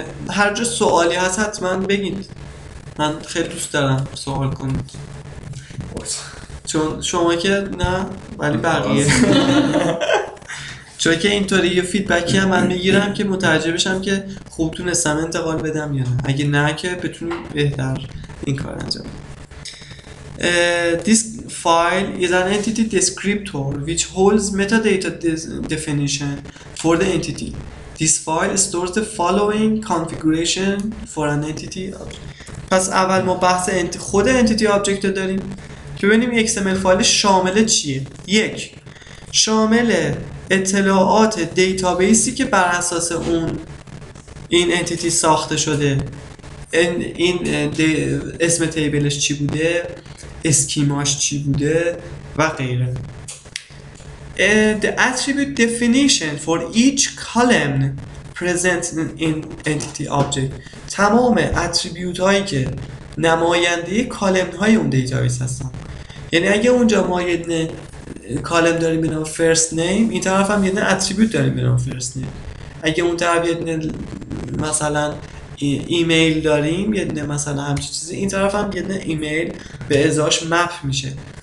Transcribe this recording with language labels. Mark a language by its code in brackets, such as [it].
[fa] هر جا سوالی هست حتما بگید، من خیلی دوست دارم سوال کنید. چون شما که نه ولی بقیه چون که اینطوری یه فیدبکی هم من میگیرم که متوجه بشم که خوب تونستم انتقال بدم یا نه، اگه نه که بتونیم بهتر این کار انجام. [en] This file is an entity descriptor which holds metadata definition for the entity. This file stores the following configuration for an entity object. [fa] پس اول ما بحث خود entity object داریم که ببینیم XML فایل شامل چیه. یک، شامل اطلاعات دیتابیسی که بر اساس اون این entity ساخته شده. این اسم تیبلش چی بوده، اسکیماش چی بوده و غیره. [en] The attribute definition for each column present in entity object. [fa] تمام اتریبیوت هایی که نماینده کالم های اون دیتابیس هستن. یعنی اگه اونجا ما یه کالم داریم به نام first name، این طرف هم یه اتریبیوت داریم به نام first name. اگه اون طرف یه مثلا ایمیل داریم، یه دونه مثلا همچین چیزی، این طرف هم یه دونه ایمیل به ازاش مپ میشه.